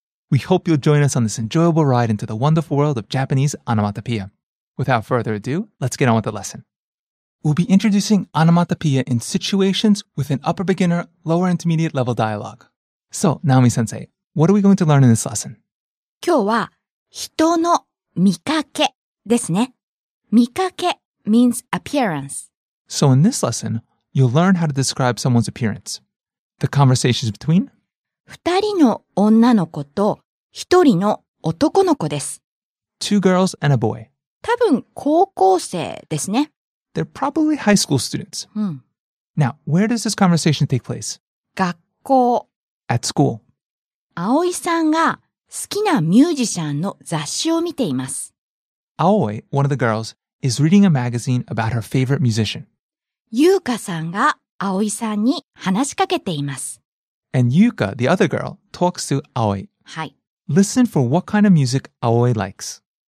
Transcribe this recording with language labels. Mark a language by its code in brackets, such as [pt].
[en] We hope you'll join us on this enjoyable ride into the wonderful world of Japanese onomatopoeia. Without further ado, let's get on with the lesson. We'll be introducing onomatopoeia in situations with an upper beginner, lower intermediate level dialogue. So, Naomi-sensei, what are we going to learn in this lesson? [ja] 今日は人の見かけですね。 [en] 見かけ means appearance. So in this lesson, you'll learn how to describe someone's appearance. The conversations between... [ja] 二人の女の子と一人の男の子です。 [en] Two girls and a boy. [ja] 多分高校生ですね。 [en] They're probably high school students. Now, where does this conversation take place? [ja] 学校。 [en] At school. [ja] 葵さんが好きなミュージシャンの雑誌を見ています。 [en] 葵、one of the girls, is reading a magazine about her favorite musician. [ja] 優香さんが葵さんに話しかけています。 [en] And Yuka, the other girl, talks to Aoi. [ja] はい。 [en] Listen for what kind of music Aoi likes.